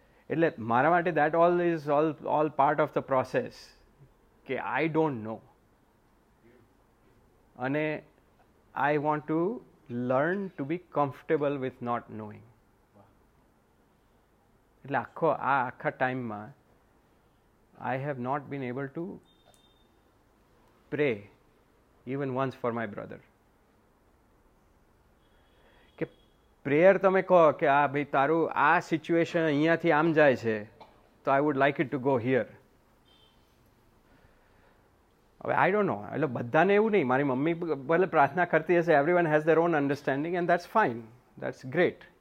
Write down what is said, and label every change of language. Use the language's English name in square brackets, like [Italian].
[Gujarati] એટલે મારા માટે [English] that all is all part of the process [Gujarati] કે [English] I don't know, [Gujarati] અને [English] I want to learn to be comfortable with not knowing. [Gujarati] એટલે આખો આ આખા ટાઈમમાં [English] I have not been able to pray even once for my brother. [Gujarati] કે prayer તમે કહો કે આ ભાઈ તારું આ સિચ્યુએશન અહીંયાથી આમ જાય છે તો [English] I would like it to go here. [Gujarati] હવે [English] I don't know, [Gujarati] એટલે બધાને એવું નહીં, મારી મમ્મી ભલે પ્રાર્થના કરતી હશે, [English] Everyone has their own understanding, and that's fine, that's great.